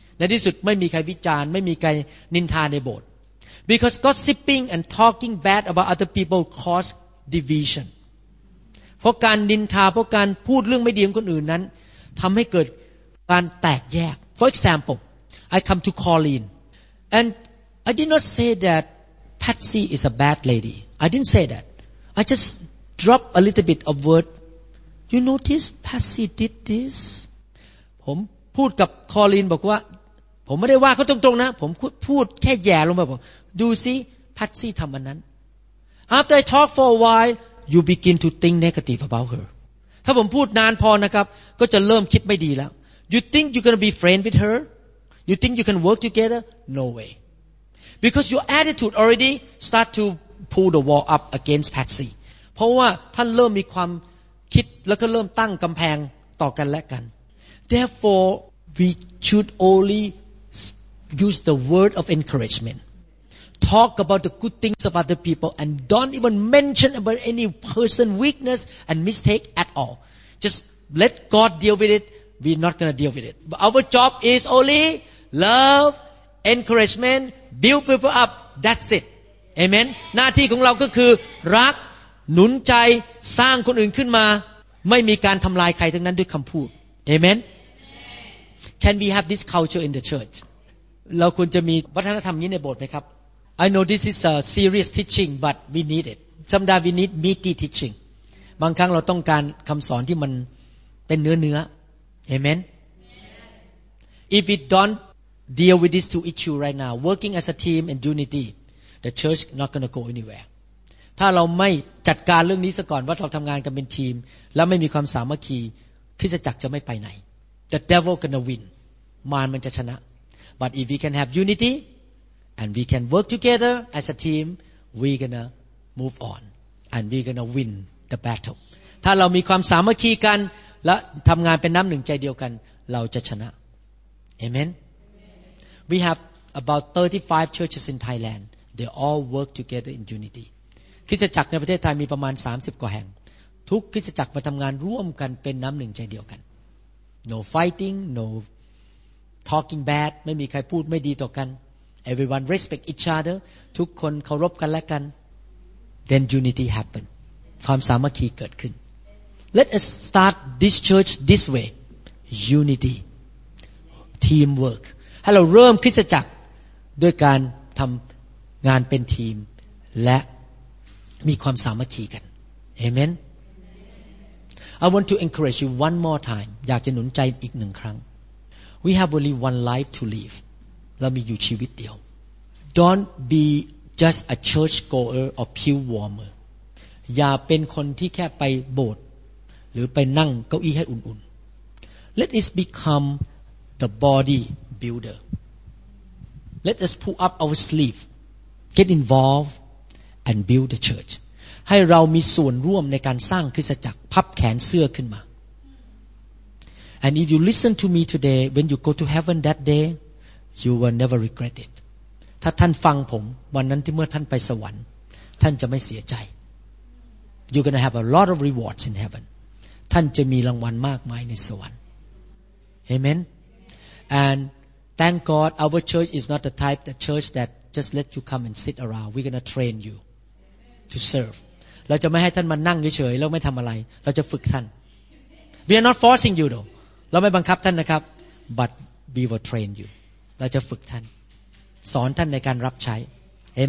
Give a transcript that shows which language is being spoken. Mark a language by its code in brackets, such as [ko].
[th] ในที่สุดไม่มีใครวิจารณ์ไม่มีใครนินทาในโบสถ์ [en] Because gossiping and talking bad about other people cause division. [th] เพราะการนินทาเพราะการพูดเรื่องไม่ดีของคนอื่นนั้นทำให้เกิดการแตกแยก [en] For example, I come to Colleen, and I did not say that Patsy is a bad lady. I didn't say that. I just drop a little bit of word. You notice Patsy did this? [th] ผมพูดกับ Colleen บอกว่าผมไม่ได้ว่าเขาตรงๆนะผมพูดแค่แย่ลงไปบอกดูซิ Patsy ทำอันนั้น [en] After I talk for a while, you begin to think negative about her. [th] ถ้าผมพูดนานพอนะครับก็จะเริ่มคิดไม่ดีแล้ว [en] You think you're going to be friend with her? You think you can work together? No way. Because your attitude already start to pull the wall up against Patsy. [th] เพราะว่าท่านเริ่มมีความคิดแล้วก็เริ่มตั้งกำแพงต่อกันและกัน [en] Therefore, we should only use the word of encouragement. Talk about the good things about the people and don't even mention about any person weakness and mistake at all. Just let God deal with it. We're not going to deal with it. But our job is only love, encouragement, build people up. That's it. Amen. [th] หน้าที่ของเราก็คือรักหนุนใจสร้างคนอื่นขึ้นมาไม่มีการทำลายใครทั้งนั้นด้วยคำพูด Amen. [en] Can we have this culture in the church? [th] เราควรจะมีวัฒนธรรมนี้ในโบสถ์ไหมครับ [en] I know this is a serious teaching, but we need it. Sometimes we need meaty teaching. [th] บางครั้งเราต้องการคำสอนที่มันเป็นเนื้อเนื้อ Amen. [en] Yeah. If we don't deal with these two issues right now, working as a team and unity, the church is not going to go anywhere. [th] ถ้าเราไม่จัดการเรื่องนี้ซะก่อนว่าเราทำงานกันเป็นทีมแล้วไม่มีความสามัคคีคริสตจักรจะไม่ไปไหน [en] The devil gonna win. [th] มารมันจะชนะ [en] But if we can have unityAnd we can work together as a team. We're gonna move on, and we're gonna win the battle. [th] ถ้าเรามีความสามัคคีกันและทำงานเป็นน้ำหนึ่งใจเดียวกันเราจะชนะ Amen. [en] We have about 35 churches in Thailand. They all work together in unity. [th] คริสตจักรในประเทศไทยมีประมาณ30กว่าแห่งทุกคริสตจักรมาทำงานร่วมกันเป็นน้ำหนึ่งใจเดียวกัน [en] No fighting, no talking bad. [th] ไม่มีใครพูดไม่ดีต่อกัน [en] Everyone respect each other. [th] ทุกคนเคารพกันและกัน [en] Then unity happen. [th] ความสามัคคีเกิดขึ้น [en] Let us start this church this way. Unity. Teamwork. [th] ให้เราเริ่มคริสตจักรด้วยการทำงานเป็นทีมและมีความสามัคคีกัน Amen. [en] I want to encourage you one more time. [th] อยากจะหนุนใจอีกหนึ่งครั้ง [en] We have only one life to live. [th] เรามีอยู่ชีวิตเดียว [en] Don't be just a church goer or pew warmer [th] อย่าเป็นคนที่แค่ไปโบสถ์หรือไปนั่งเก้าอี้ให้อุ่นๆ [en] Let us become the body builder Let us pull up our sleeve get involved and build the church [th] ให้เรามีส่วนร่วมในการสร้างคริสตจักรพับแขนเสื้อขึ้นมา [en] And if you listen to me today when you go to heaven that dayYou will never regret it. [th] ถ้าท่านฟังผมวันนั้นที่เมื่อท่านไปสวรรค์ท่านจะไม่เสียใจ [en] You're gonna have a lot of rewards in heaven. [th] ท่านจะมีรางวัลมากมายในสวรรค์ Amen. [en] And thank God, our church is not the type of church that just let you come and sit around. We're gonna train you to serve. [th] เราจะไม่ให้ท่านมานั่งเฉยๆแล้วไม่ทำอะไรเราจะฝึกท่าน [en] We are not forcing you though. [th] เราไม่บังคับท่านนะครับ [en] But we will train you. [th] เราจะฝึกท่านสอนท่านในการรับใช้ Amen.